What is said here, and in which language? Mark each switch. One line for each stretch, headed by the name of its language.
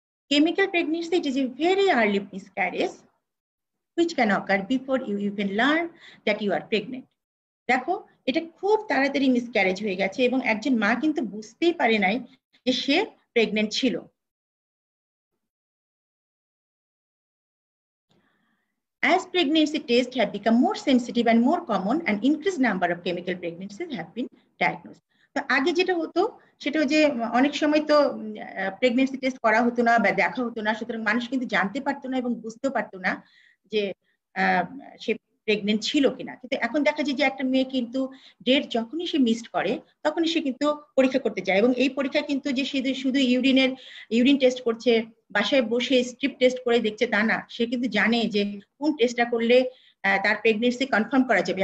English: Chemical pregnancy it is a very early miscarriage which can occur before you even learn that you are pregnant.
Bangla: দেখো এটা খুব তাড়াতাড়ি miscarriage হয়ে গেছে এবং একজন মা কিন্তু বুঝতেই পারে নাই যে সে প্রেগনেন্ট ছিল।
English: As pregnancy tests have become more sensitive and more common, an increased number of chemical pregnancies have been diagnosed.
Bangla: তো আগে যেটা হতো সেটা হচ্ছে অনেক সময় তো প্রেগনেন্সি টেস্ট করা হতো না বা দেখা হতো না, সুতরাং মানুষ কিন্তু জানতে পারতো না এবং বুঝতেও পারতো না যে সে প্রেগনেন্ট ছিল কিনা। কিন্তু এখন দেখা যায় যে একটা মেয়ে কিন্তু ডেট যখনই সে মিসড করে তখনই সে কিন্তু পরীক্ষা করতে যায়, এবং এই পরীক্ষা কিন্তু যে সে শুধু ইউরিনের ইউরিন টেস্ট করছে, বাসায় বসে স্ট্রিপ টেস্ট করে দেখছে তা না, সে কিন্তু জানে যে কোন টেস্টটা করলে তার প্রেগনেন্সি কনফার্ম করা যাবে।